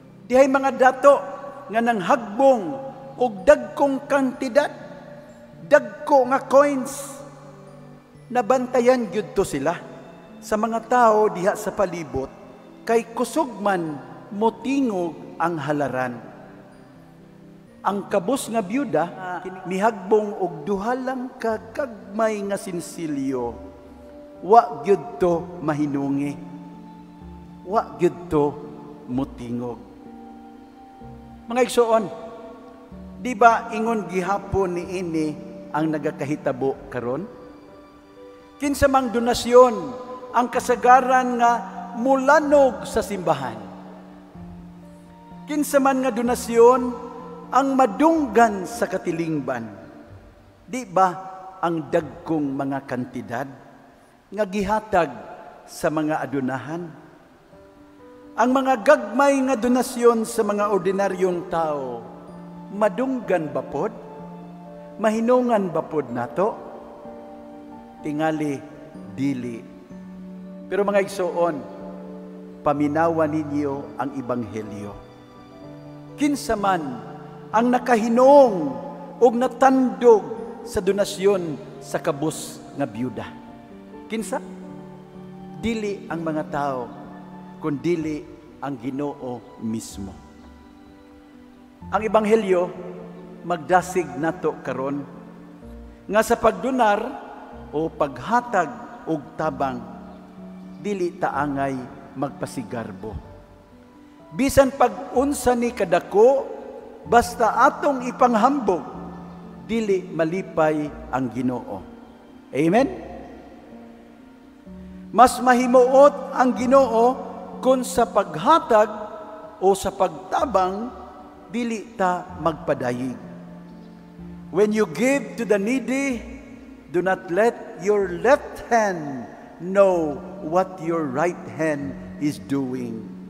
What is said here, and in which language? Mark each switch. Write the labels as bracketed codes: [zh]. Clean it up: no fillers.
[ceb] Dihay mga dato nga nang hagbong og dagkong kantidad, dagko nga coins. Nabantayan gyud to sila sa mga tao diha sa palibot kay kusog man motingog ang halaran. Ang kabus nga byuda mihagbong og duha lang ka gagmay nga sinsilyo. Wa gyud to mahinungi. Wa gyud to motingog. Mga igsoon, di ba ingon gihapon ni ini ang nagakahitabo karon? Kinsa mang donasyon ang kasagaran nga mulanog sa simbahan. Kinsa man nga donasyon ang madunggan sa katilingban. Di ba ang dagkong mga kantidad nga gihatag sa mga adunahan? Ang mga gagmay nga donasyon sa mga ordinaryong tao, madunggan ba pod? Mahinungan ba pod nato? Tingali, dili. Pero mga igsoon, paminawa ninyo ang ebanghelyo. Kinsa man ang nakahinong o natandog sa donasyon sa kabus nga byuda? Kinsa? Dili ang mga tao, kundili ang Ginoo mismo. Ang ebanghelyo magdasig nato karon nga sa pagdonar o paghatag og tabang dili ta angay magpasigarbo. Bisan pag unsa ni kadako basta atong ipanghambog dili malipay ang Ginoo. Amen. Mas mahimuot ang Ginoo kun sa paghatag o sa pagtabang dili ta magpadayig. [en] When you give to the needy, do not let your left hand know what your right hand is doing.